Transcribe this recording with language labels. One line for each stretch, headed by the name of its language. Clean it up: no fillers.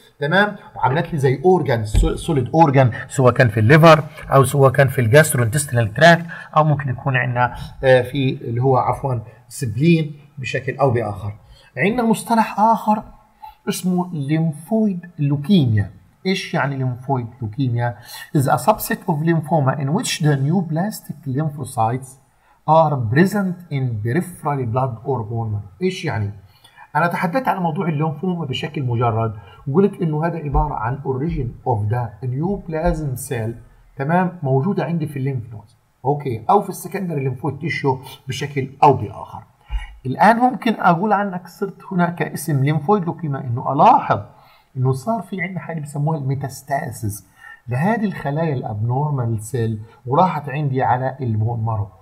Arabic: تمام، وعملت لي زي اورجان سوليد اورجان، سواء كان في الليفر او سواء كان في الجاسترونتستينال تراكت، او ممكن يكون عندنا في اللي هو عفوا سبلين بشكل او باخر. عندنا مصطلح اخر اسمه ليمفويد لوكيميا. ايش يعني ليمفويد لوكيميا؟
English: is a subset of lymphoma in which the neoplastic lymphocytes are present in peripheral blood or bone marrow.
Arabic: ايش يعني؟ انا تحدثت عن موضوع الليمفوما بشكل مجرد وقلت انه هذا عبارة عن
English: origin of the neoplasm cell
Arabic: تمام موجودة عندي في الليمف نودز اوكي او في السكندري ليمفويد تيشو بشكل او باخر. الان ممكن اقول عنك صرت هناك اسم ليمفويد لوكيميا انه الاحظ انه صار في عندنا حاجه بسموها الميتاستاسيس لهذه الخلايا الابنورمال سيل وراحت عندي على البون مارو.